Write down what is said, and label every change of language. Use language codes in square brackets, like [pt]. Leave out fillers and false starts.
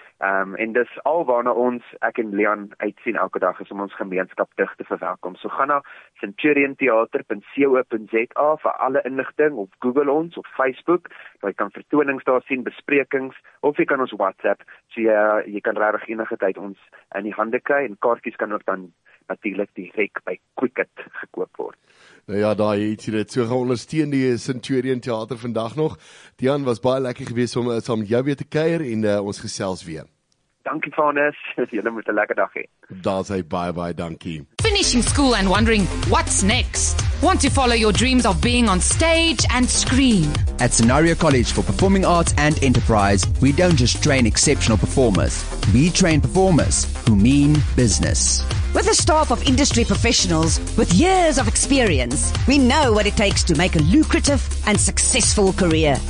[af] En dis al waarna ons, ek en Leon, uitsien elke dag, is om ons gemeenskap terug te verwelkom. So gaan na centurientheater.co.za vir alle inligting, of Google ons, of Facebook, waar jy kan vertonings daar sien, besprekings, of jy kan ons WhatsApp, so jy kan regtig enige tyd ons in die hande kry, en kaartjies kan ook dan natuurlik direct by Quicket gekoop word. Nou ja, daar het jy dit. So gaan ondersteun die Centurion Theater vandag nog. Tian, was baie lekker geweest om saam jou weer te kuier en ons gesels weer. Dankie, Vanus. Julle moet 'n lekker dag hê. Daar sê bye-bye, dankie. [en] Finishing school and wondering, what's next? Want to follow your dreams of being on stage and screen? At Scenario College for Performing Arts and Enterprise, we don't just train exceptional performers. We train performers who mean business. With a staff of industry professionals with years of experience, we know what it takes to make a lucrative and successful career.